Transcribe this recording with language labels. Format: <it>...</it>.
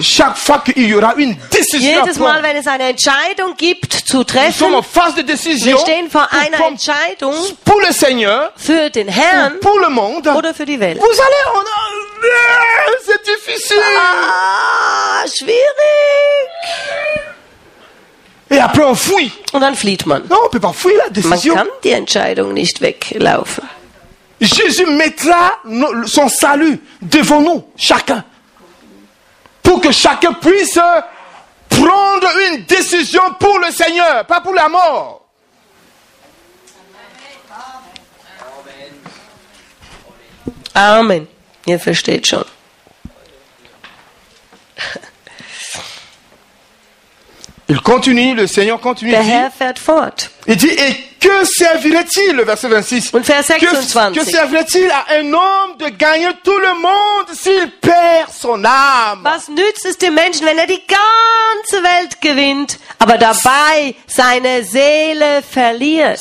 <fr>Chaque fois qu'il y aura une décision</fr> <de>jedes Mal, wenn es eine Entscheidung gibt zu treffen,</de> <fr>en face de décision,</fr> <de>wir stehen vor einer Entscheidung</de> <fr>pour le Seigneur,</fr> <de>für den Herrn</de> <fr>pour le monde,</fr> <de>oder für die Welt.</de> <fr>Vous allez en... C'est difficile.</fr> <de>Ah, schwierig.</de> <fr>Et après on fuit.</fr> <de>Und dann flieht man.</de> <fr>Non, on peut pas fuir la décision.</fr> <de>Man kann die Entscheidung nicht weglaufen.</de> <fr>Jésus mettra son salut devant nous, chacun, pour que chacun puisse prendre une décision pour le Seigneur, pas pour la mort.</fr> <de>Amen. Ihr versteht schon.</de> <fr>Il continue, le Seigneur continue.</fr> <de>Der Herr fährt fort.</de> <fr>Il dit, Que servirait-il, le verset 26,</fr> <de>und Vers 26.</de> <fr>Que servirait-il à un homme de gagner tout le monde s'il perd son âme?</fr> <de>Was nützt es dem Menschen, wenn die ganze Welt gewinnt, aber dabei seine Seele verliert?</de>